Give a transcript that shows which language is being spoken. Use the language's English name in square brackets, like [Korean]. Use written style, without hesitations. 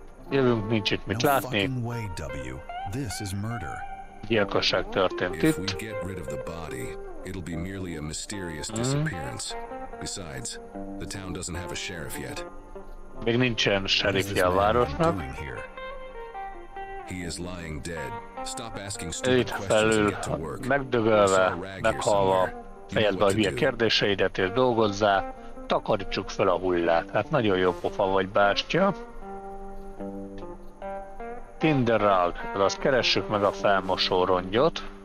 [Hungarian] Jövünk, nincs itt mit látni. [English] This is murder. [Hungarian] Gyilkosság történt itt. [English] If we get rid of the body, it'll be merely a mysterious disappearance. Besides, the town doesn't have a sheriff yet. [Hungarian] Még nincsen sheriffje a városnak. [English] He is lying dead. Stop asking stupid questions. [Hungarian] Megdögölve, meghalva, fejezd be a hülye kérdéseidet és dolgozzá. Takarítsuk fel a hullát. Hát nagyon jó pofa vagy, bástya. Tinderrag, azt keressük meg a felmosó rongyot.